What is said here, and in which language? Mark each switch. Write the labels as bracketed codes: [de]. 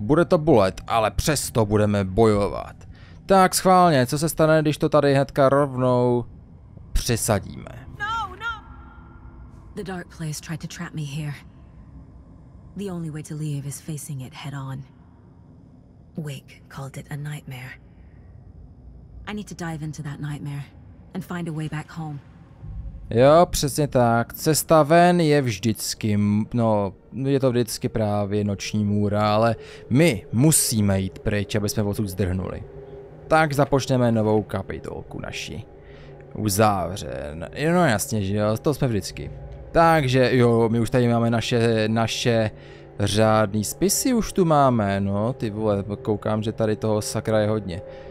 [cs] Bude to bolet, ale přesto budeme bojovat. Tak schválně, co se stane, když to tady hnedka rovnou přesadíme? No, no. [en] The dark place tried to trap me here. The only way to leave is facing it head on. Wake called it a nightmare. I need to dive into that nightmare and find a way back home. [cs] Jo, přesně tak. Cesta ven je vždycky, no, je to vždycky právě noční můra, ale my musíme jít pryč, aby jsme odsud zdrhnuli. Tak započneme novou kapitolku naši. Uzavřen. No jasně, že jo, to jsme vždycky. Takže jo, my už tady máme naše řádný spisy, už tu máme, no, ty vole, koukám, že tady toho sakra je hodně.